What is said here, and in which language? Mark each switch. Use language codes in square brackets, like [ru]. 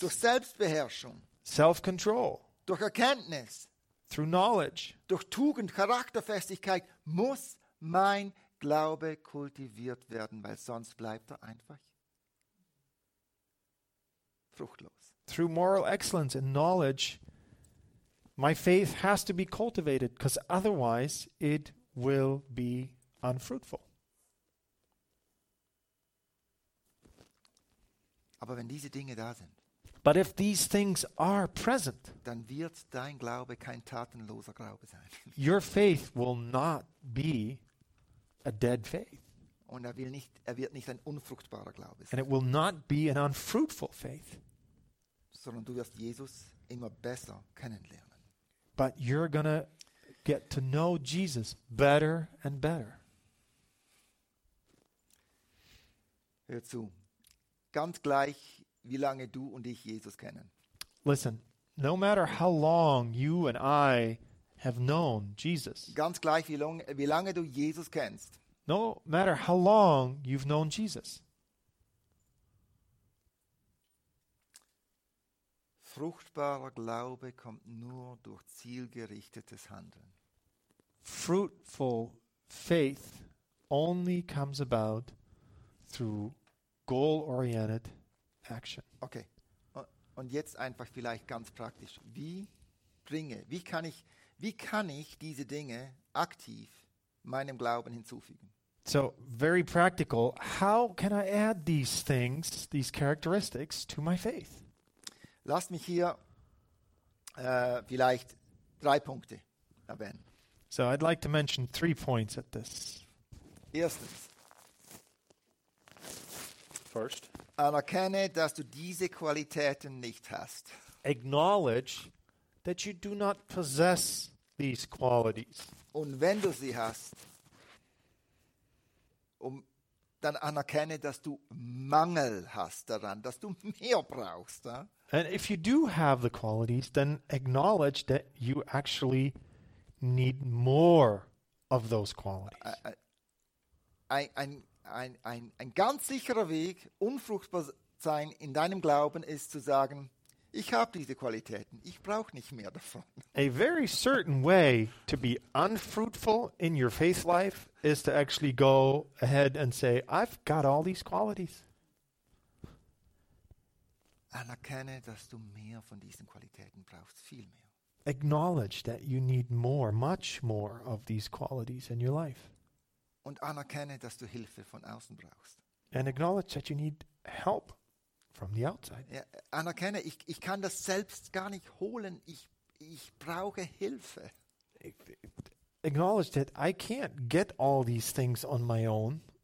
[de] Durch Selbstbeherrschung. [en] Self-control. [de] Durch Erkenntnis. [en] Through knowledge. [de] Durch Tugend, Charakterfestigkeit muss mein Glaube kultiviert werden, weil sonst bleibt er einfach fruchtlos. [en] Through moral excellence and knowledge, my faith has to be cultivated, because otherwise it will be unfruitful. [de] Aber wenn diese Dinge da sind, [en] but if these things are present, [de] dann wird dein Glaube kein tatenloser Glaube sein. [en] Your faith will not be a dead faith. [de] Und er wird nicht ein unfruchtbarer Glaube sein. [en] And it will not be an unfruitful faith. [de] sondern du wirst Jesus immer besser kennenlernen. [en] But you're going to get to know Jesus better and better. [de] Hör zu. Ganz gleich, wie lange du und ich Jesus kennen. [en] Listen, no matter how long you and I have known Jesus. [de] Ganz gleich, wie lange du Jesus kennst. [en] No matter how long you've known Jesus. [de] Fruchtbarer Glaube kommt nur durch zielgerichtetes Handeln. [en] Fruitful faith only comes about through goal-oriented action. Okay. [de] Und jetzt einfach vielleicht ganz praktisch. Wie kann ich diese Dinge aktiv meinem Glauben hinzufügen? [en] So, very practical. How can I add these things, these characteristics to my faith? [de] Lass mich hier vielleicht 3 Punkte erwähnen. [en] So, I'd like to mention 3 points at this. [de] Erstens. [en] First. [de] Anerkenne, dass du diese Qualitäten nicht hast. [en] Acknowledge that you do not possess these qualities. [de] Und wenn du sie hast, dann anerkenne, dass du Mangel hast daran, dass du mehr brauchst. Eh? [en] And if you do have the qualities, then acknowledge that you actually need more of those qualities. [de] Ein ganz sicherer Weg, unfruchtbar sein in deinem Glauben, ist zu sagen, ich habe diese Qualitäten, ich brauche nicht mehr davon. [en] A very certain way to be unfruitful in your faith life is to actually go ahead and say, I've got all these qualities. [de] Anerkenne, dass du mehr von diesen Qualitäten brauchst, viel mehr. [en] Acknowledge that you need more, much more of these qualities in your life. [de] Und anerkenne, dass du Hilfe von außen brauchst. [en] And acknowledge that you need help from the outside. [de] Ja, anerkenne, ich kann das selbst gar nicht holen. Ich brauche Hilfe. [en] Acknowledge that I can't get all these things on my own.